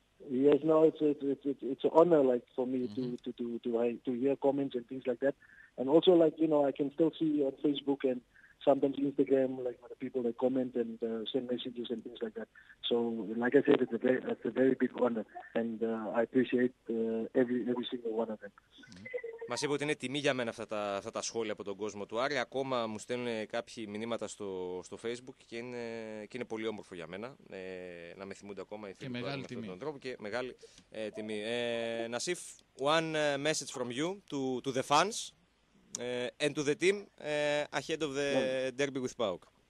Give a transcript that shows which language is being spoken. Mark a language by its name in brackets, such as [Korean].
[English] Yes, no, it's an honor, like, for me to hear comments and things like that, and also, like, you know, I can still see on Facebook and sometimes Instagram, like, the people that comment and send messages and things like that. So, like I said, it's a very big honor, and I appreciate every single one of them. [Greek] Μας είπε ότι είναι τιμή για μένα αυτά τα σχόλια από τον κόσμο του Άρη. Ακόμα μου στέλνουν κάποιοι μηνύματα στο Facebook και είναι πολύ όμορφο για μένα να με θυμούνται ακόμα οι φίλοι του Άρη με αυτόν τον τρόπο. Και μεγάλη τιμή. [English] Νασίφ, one message from you to the fans and to the team ahead of the derby with PAOK.